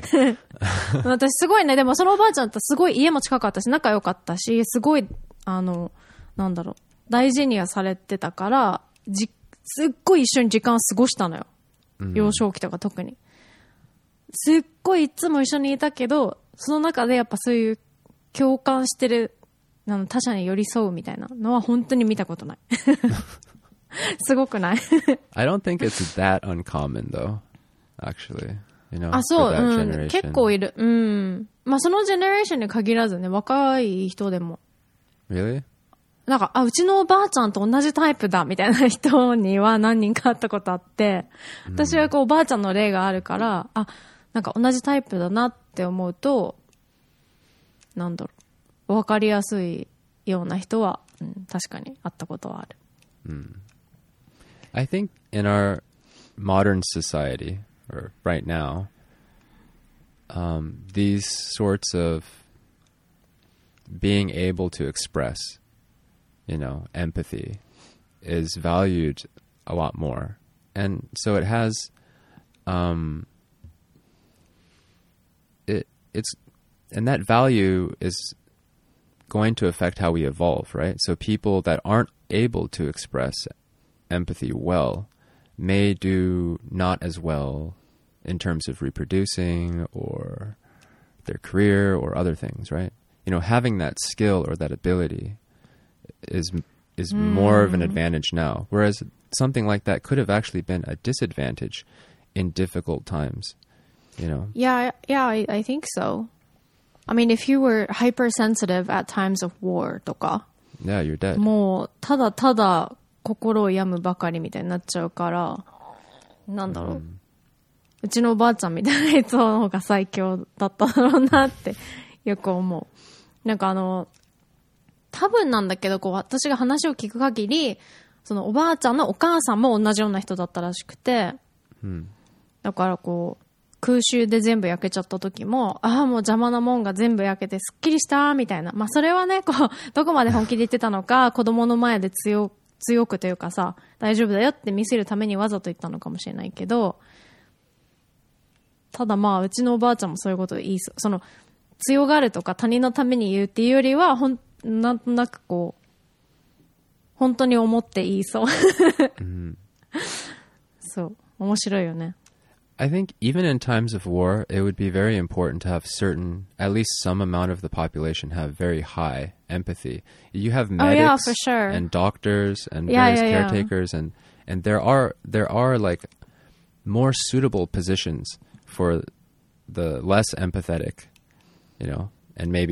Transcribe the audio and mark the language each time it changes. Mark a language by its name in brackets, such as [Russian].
[Japanese] 笑>私すごいね、でもそのおばあちゃんとすごい家も近かったし仲良かったし、すごいあのなんだろう、大事にはされてたから、すっごい一緒に時間過ごしたのよ、うん、幼少期とか特にすっごいいつも一緒にいたけど、その中でやっぱそういう共感してる、なの他者に寄り添うみたいなのは本当に見たことないすごくない [English] I don't think it's that uncommon though actually you know, [Japanese] あそう、うん、結構いる、うん、まあそのジェネレーションに限らずね、若い人でも [English] Really? [Japanese] なんか、あ、うちのおばあちゃんと同じタイプだみたいな人には何人か会ったことあって、私はこうおばあちゃんの例があるから、あ、なんか同じタイプだなって思うと、なんだろう、分かりやすいような人は、うん、確かに会ったことはある、 [English] うん、I think in our modern society or right now、these sorts of being able to expressYou know, empathy is valued a lot more. And so it has, it's, and that value is going to affect how we evolve, right? So people that aren't able to express empathy well may do not as well in terms of reproducing or their career or other things, right? You know, having that skill or that ability. Is more of an advantage now, whereas something like that could have actually been a disadvantage in difficult times, you know? Yeah, I think so. I mean, if you were hypersensitive at times of war [Japanese] とか、 [English] yeah, you're dead. [Japanese] もうただただ心を病むばかりみたいになっちゃうから、なんだろう、うちのおばあちゃんみたいな人の方が最強だっただろうなってよく思う。なんかあの、多分なんだけど、こう私が話を聞く限り、そのおばあちゃんのお母さんも同じような人だったらしくて、うん、だからこう空襲で全部焼けちゃった時も、ああもう邪魔なもんが全部焼けてすっきりしたみたいな、まあそれはね、こうどこまで本気で言ってたのか子供の前で強くというかさ、大丈夫だよって見せるためにわざと言ったのかもしれないけど、ただまあうちのおばあちゃんもそういうこと言いそう、その強がるとか他人のために言うっていうよりは、ほんなんとなくこう本当に思って言いそう、 mm. そう、面白いよね。 [English] I think even in times of war it would be very important to have certain, at least some amount of the population have very high empathy. You have medics、 oh, yeah, for sure. and doctors and various yeah, yeah, caretakers yeah. And there are like more suitable positions for the less empathetic, you know, and maybe